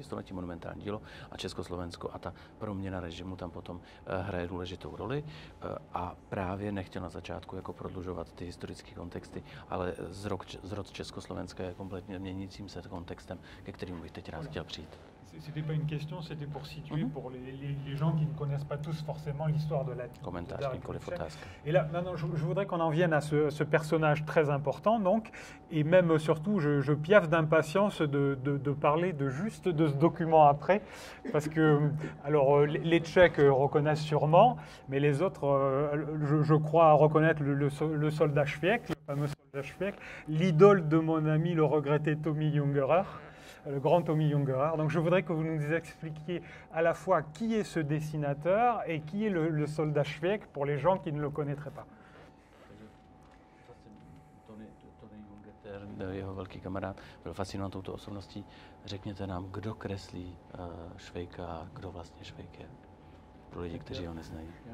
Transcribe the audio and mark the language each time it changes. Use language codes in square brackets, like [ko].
[cs] století, monumentální dílo a Československo a ta proměna režimu tam potom hraje důležitou roli. A právě nechtěl na začátku jako prodlužovat ty historické kontexty, ale zrod Československa je kompletně měnícím se kontextem, ke kterému bych teď rád chtěl přijít. [fr] C'était pas une question, c'était pour situer pour les gens qui ne connaissent pas tous forcément l'histoire de la Commentaire. Et là, maintenant, je voudrais qu'on en vienne à ce personnage très important, donc, et même surtout, je piaffe d'impatience de parler de ce document après, parce que, alors, les Tchèques reconnaissent sûrement, mais les autres, je crois reconnaître le soldat Švěk, le fameux soldat Švěk, l'idole de mon ami, le regretté Tommy Jungerer. Le grand Tommy Jungerer. Donc je voudrais que vous nous expliquiez à la fois qui est ce dessinateur et qui est le soldat Švěk pour les gens qui ne le connaîtraient pas. [cs] Tommy Jungerer, jeho velký kamarád, byl fascinant touto osobností. Řekněte nám, kdo kreslí Švejka, kdo vlastně Švejk je, pro lidi, kteří ho neznají.